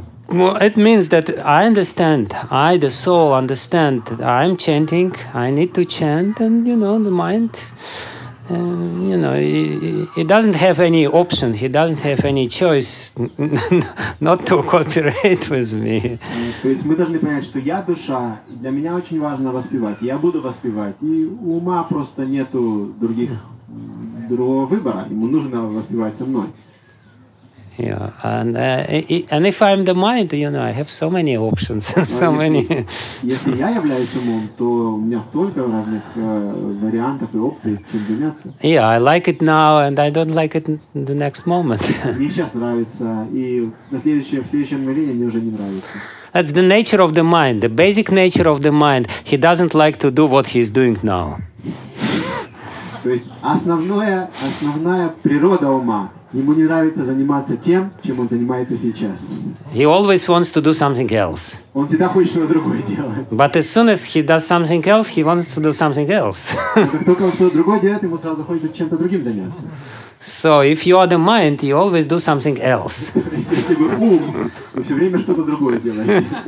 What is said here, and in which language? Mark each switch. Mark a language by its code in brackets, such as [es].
[en] Well, it means that I understand, I, the soul, understand that I'm chanting, I need to chant, and, you know, the mind, you know, he doesn't have any option, he doesn't have any choice not to cooperate with me. [ru] То есть мы должны понять, что я душа, для меня очень важно воспевать, я буду воспевать, и у ума просто нету другого выбора, ему нужно воспевать со мной. [en] Yeah, and if I'm the mind, you know, I have so many options and so many. [ru] Если я являюсь умом, то у меня столько разных вариантов и опций, чем заняться. [en] Yeah, I like it now, and I don't like it the next moment. [ru] Мне сейчас нравится, и в следующем мгновении мне уже не нравится. [en] That's the nature of the mind, the basic nature of the mind. He doesn't like to do what he's doing now. [ru] То есть основная природа ума. Ему не нравится заниматься тем, чем он занимается сейчас. [en] He always wants to do something else. [ru] Он всегда хочет что-то другое делать. [en] But as soon as he does something else, he wants to do something else. [ru] Как только он что-то другое делает, ему сразу хочется чем-то другим заняться. [en] So if you are the mind, you always do something else. [ru] Если вы ум, вы все время что-то другое делаете.